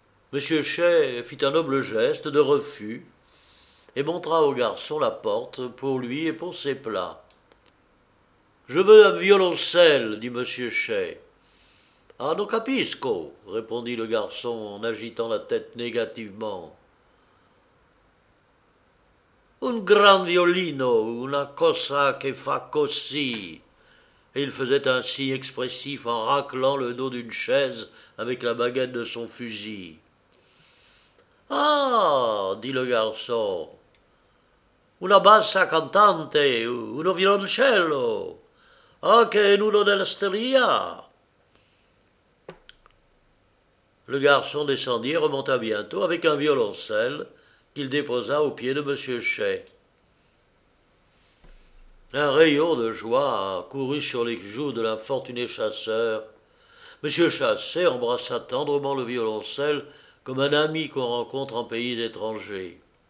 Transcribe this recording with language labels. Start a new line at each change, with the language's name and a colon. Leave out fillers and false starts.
French: Monsieur Chay fit un noble geste de refus et montra au garçon la porte pour lui et pour ses plats. « Je veux un violoncelle, » dit Monsieur Chay. «
Italian: Ah, non capisco,
French: » répondit le garçon en agitant la tête négativement. Un grand
Italian: violino, una cosa che fa così.
French: Et il faisait un signe expressif en raclant le dos d'une chaise avec la baguette de son fusil.
Italian: Ah,
French: dit le garçon,
Italian: una bassa cantante, uno violoncello, anche in uno dell'osteria.
French: Le garçon descendit et remonta bientôt avec un violoncelle. Il déposa au pied de M. Chay. Un rayon de joie courut sur les joues de l'infortuné chasseur. M. Chassé embrassa tendrement le violoncelle comme un ami qu'on rencontre en pays étranger.